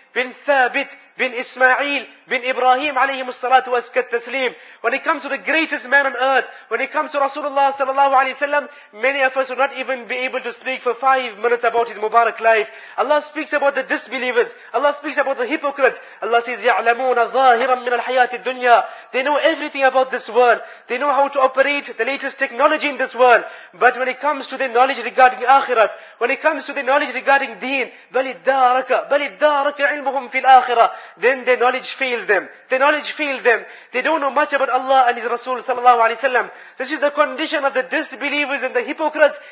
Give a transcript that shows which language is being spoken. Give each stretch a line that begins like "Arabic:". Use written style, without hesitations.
Arabic: بن ثابت بن إسماعيل بن إبراهيم عليهم الصلاة والتسليم.
English: When it comes to the greatest man on earth, when it comes to Rasulullah sallallahu alayhi wa sallam, many of us will not even be able to speak for 5 minutes about his Mubarak life. Allah speaks about the disbelievers. Allah speaks about the hypocrites. Allah says,
Arabic: يَعْلَمُونَ ظَاهِرًا مِنَ الْحَيَاةِ الدُّنْيَا.
English: They know everything about this world. They know how to operate the latest technology in this world. But when it comes to the knowledge regarding Akhirat, when it comes to the knowledge regarding Deen,
Arabic: بَلِدَّارَكَ عِلْمُهُمْ فِي الْآخِرَةِ,
English: then their knowledge fails them. Their knowledge fails them. They don't know much about Allah and His Rasul sallallahu alayhi wa sallam. This is the condition of the disbelievers and the hypocrites.